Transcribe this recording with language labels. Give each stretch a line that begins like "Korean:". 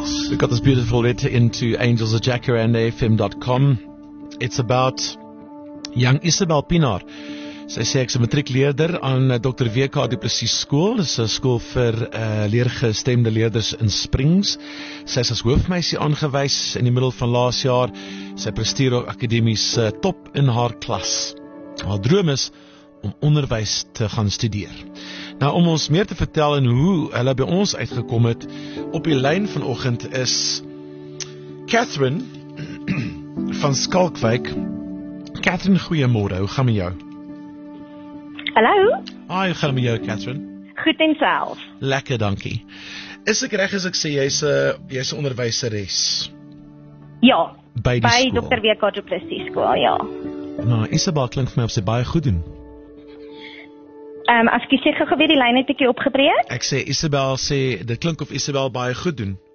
English: We've got this beautiful letter into angels@jacaranda.fm.com. It's about young Isabel Pinaar.
Afrikaans: Sy sê ek is 'n matriekleerder aan Dr. WK Du Plessis skool. Dis 'n skool vir leergestemde leerders in Springs. Sy is as hoofmeisie aangewys in die middel van laas jaar. Sy presteer akademies top in haar klas. Haar droom is om onderwys te gaan studeer. Nou, om ons meer te vertel en hoe hulle by ons uitgekom het, op die lyn vanoggend is Catherine van Skalkwyk. Catherine, goeiemôre, hoe gaan met jou? Hallo. Hi, hoe gaan met jou, Catherine? Goed en self. Lekker, dankie. Is ek reg as ek sê, jy is een onderwyseres? Ja, by die by Dr. WK Du Plessis skool, ja. Nou, Isabel klink vir my of sy baie goed doen. As ek sê gou weer die lyn het ek jou opgebreek. Ek sê Isabel sê dit klink of Isabel baie goed doen.